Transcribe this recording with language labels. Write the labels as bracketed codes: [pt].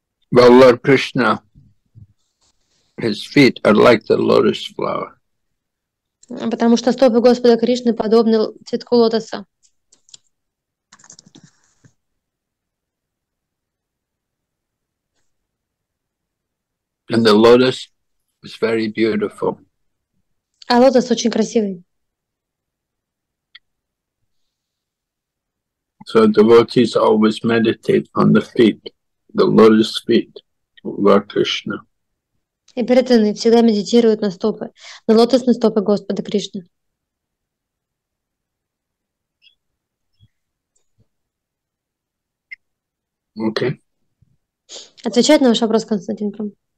[en] Well, Lord Krishna, his feet are like the lotus flower. [ru] Потому что стопы Господа Кришны подобны цветку лотоса. [en] And the lotus is very beautiful. [ru] А лотос очень красивый. [en] So devotees always meditate on the feet, the lotus feet of Lord Krishna. [ru] И преданные всегда медитируют на стопы, на лотосные стопы Господа Кришны. [en] Okay. [ru] Отвечает на ваш вопрос, Константин Прам.